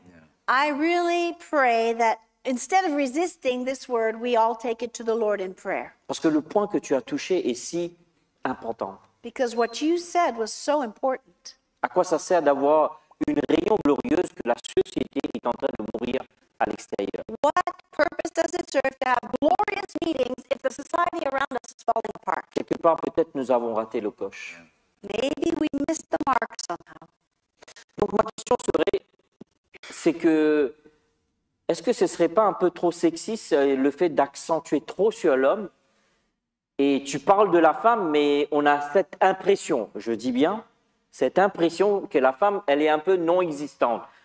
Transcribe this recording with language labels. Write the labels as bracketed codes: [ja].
[en] Yeah. I really pray that instead of resisting this word, we all take it to the Lord in prayer. [fr] Parce que le point que tu as touché est si important. [en] Because what you said was so important. [fr] À quoi ça sert d'avoir une réunion glorieuse que la société est en train de mourir à l'extérieur? [en] What purpose does it serve to have glorious meetings if the society around us is falling apart? [fr] Quelque part, peut-être nous avons raté le coche. [en] Maybe we missed the mark somehow. [fr] Donc ma question serait, c'est que, est-ce que ce ne serait pas un peu trop sexiste le fait d'accentuer trop sur l'homme? Et tu parles de la femme, mais on a cette impression, je dis bien, cette impression que la femme, elle est un peu non-existante.